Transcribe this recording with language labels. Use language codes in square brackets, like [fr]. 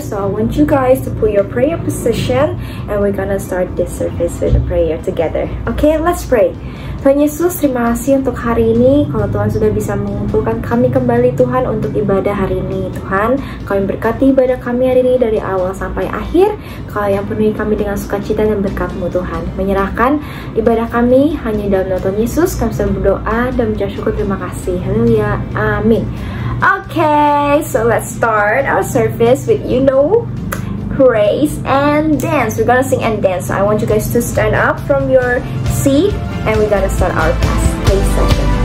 [en] So I want you guys to put your prayer position and we're gonna start this service with a prayer together. Okay, let's pray. [id] Tuhan Yesus, terima kasih untuk hari ini. Kalau Tuhan sudah bisa mengumpulkan kami kembali Tuhan untuk ibadah hari ini, Tuhan, kami berkati ibadah kami hari ini dari awal sampai akhir. Kau yang penuhi kami dengan sukacita dan berkat-Mu Tuhan. Menyerahkan ibadah kami hanya dalam nama Tuhan Yesus, kami sudah berdoa dan mengucap syukur terima kasih. Haleluya. Amin. [en] Okay, so let's start our service with, you know, praise and dance. We're gonna sing and dance. So I want you guys to stand up from your seat and we're gonna start our class play session.